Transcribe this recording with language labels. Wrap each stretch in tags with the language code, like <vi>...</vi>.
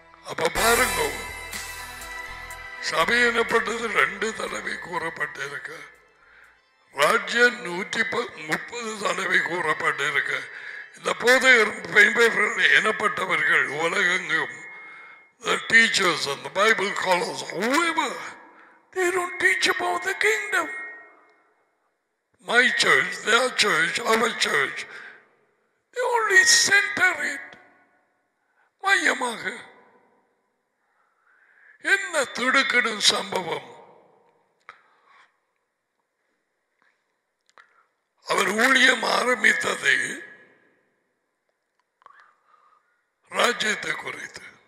<ta>அப்ப பாருங்க, சபை எனப்பட்டது ரெண்டு தடவை கூறப்பட்டிருக்கு, ராஜ்யம் 130 தடவை கூறப்பட்டிருக்கு. இந்த போது எனப்பட்டவர்கள் உலகெங்கும்</ta> <en>the teachers and the Bible scholars, whoever, they don't teach about the kingdom. My church, their church, our church, they only center it.</en> <ta>மையமாக என்ன துடுக்கிடும் சம்பவம், அவர் ஊழியம் ஆரம்பித்தது ராஜ்யத்தை குறித்து.</ta>